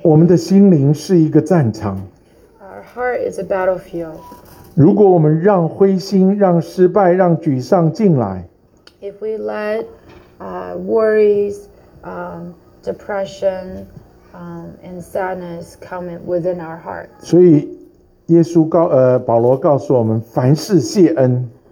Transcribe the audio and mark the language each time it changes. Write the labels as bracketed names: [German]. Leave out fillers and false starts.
[Chinese] 我们的心灵是一个战场。 [English] Our heart is a battlefield. [Chinese] 如果我们让灰心，让失败，让沮丧进来。 [English] If we let worries,depression and sadness come within our heart. [Chinese] 所以耶稣告保罗告诉我们凡事谢恩。